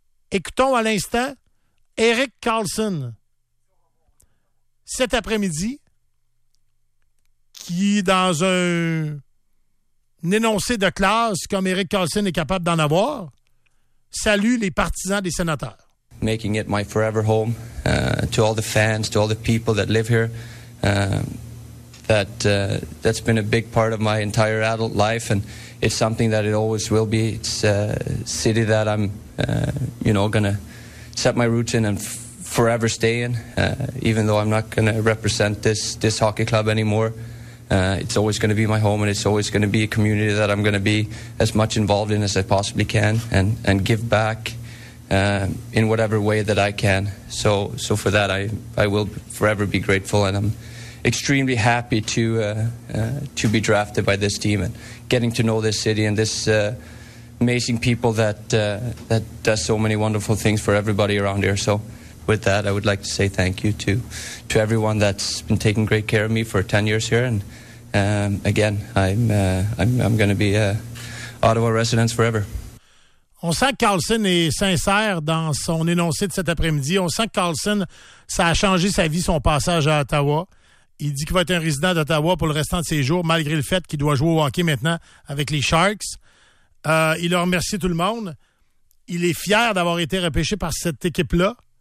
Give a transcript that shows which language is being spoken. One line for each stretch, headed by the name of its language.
French: Écoutons à l'instant Eric Karlsson, cet après-midi, qui, dans un énoncé de classe comme Eric Karlsson est capable d'en avoir, salue les partisans des Sénateurs.
English: Making it my forever home, to all the fans, to all the people that live here, that's been a big part of my entire adult life, and it's something that it always will be. It's a city that I'm, gonna set my roots in and forever stay in, even though I'm not gonna represent this hockey club anymore. It's always gonna be my home, and it's always gonna be a community that I'm gonna be as much involved in as I possibly can, and give back in whatever way that I can. So for that, I will forever be grateful, and I'm extremely happy to be drafted by this team and getting to know this city and this amazing people that does so many wonderful things for everybody around here. So with that, I would like to say thank you to everyone that's been taking great care of me for 10 years here. And again, I'm going to be Ottawa resident forever.
French: On sent que Karlsson est sincère dans son énoncé de cet après-midi. On sent que Karlsson, ça a changé sa vie, son passage à Ottawa. Il dit qu'il va être un résident d'Ottawa pour le restant de ses jours, malgré le fait qu'il doit jouer au hockey maintenant avec les Sharks. Il a remercié tout le monde. Il est fier d'avoir été repêché par cette équipe-là.